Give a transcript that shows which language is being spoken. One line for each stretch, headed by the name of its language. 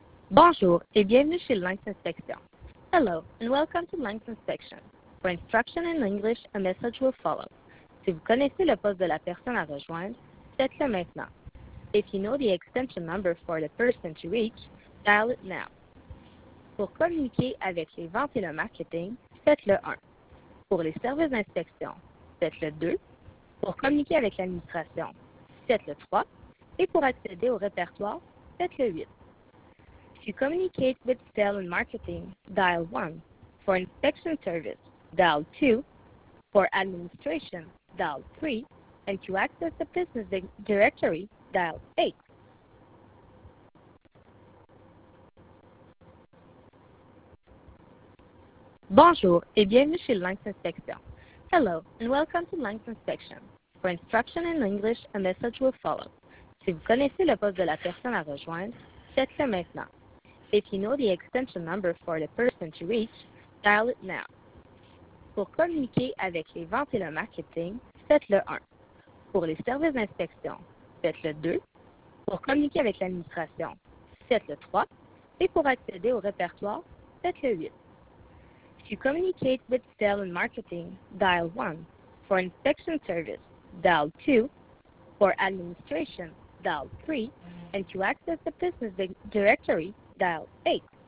French: Bonjour et bienvenue chez Lynx Inspection.
English: Hello and welcome to Lynx Inspection. For instruction in English, a message will follow.
French: Si vous connaissez le poste de la personne à rejoindre, faites-le maintenant.
English: If you know the extension number for the person to reach, dial it now.
French: Pour communiquer avec les ventes et le marketing, faites-le 1. Pour les services d'inspection, faites-le 2. Pour communiquer avec l'administration, faites-le 3. Et pour accéder au répertoire, faites-le 8.
English: To communicate with sales and marketing, dial 1. For inspection service, dial 2. For administration, dial 3. And to access the business directory, dial 8.
French: Bonjour et bienvenue chez Lynx Inspection.
English: Hello and welcome to Lynx Inspection. For instruction in English, a message will follow.
French: Si vous connaissez le poste de la personne à rejoindre, faites-le maintenant.
English: If you know the extension number for the person to reach, dial it now.
French: Pour communiquer avec les ventes et le marketing, faites-le 1. Pour les services d'inspection, faites-le 2. Pour communiquer avec l'administration, faites-le 3. Et pour accéder au répertoire, faites-le 8.
English: To communicate with sales and marketing, dial 1. For inspection service, dial 2. For administration, dial 3. And to access the business directory, dial 8.